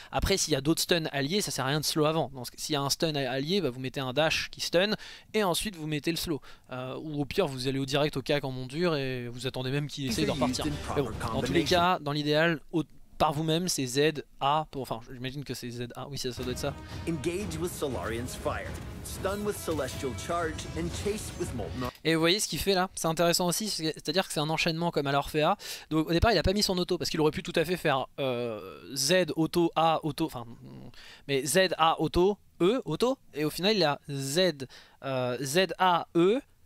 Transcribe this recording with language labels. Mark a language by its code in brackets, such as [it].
[fr] Après, s'il y a d'autres stuns alliés, ça sert à rien de slow avant. Donc s'il y a un stun allié, bah, vous mettez un dash qui stun, et ensuite vous mettez le slow. Ou au pire, vous allez au direct au cac en monture, et vous attendez même qu'il essaye d'en partir. Mais bon, dans tous les cas, dans l'idéal, par vous-même, c'est Z, A, pour... enfin, j'imagine que c'est Z, A, oui, ça doit être ça. [en] Engage with Solarian's fire. Stun with celestial charge and chase with molten. [fr] Et vous voyez ce qu'il fait là, c'est intéressant aussi, c'est-à-dire que c'est un enchaînement comme à l'Orphea. Donc au départ, il a pas mis son auto parce qu'il aurait pu tout à fait faire Z, auto, A, auto, enfin, mais Z, A, auto, E, auto, et au final, il a Z, A, E.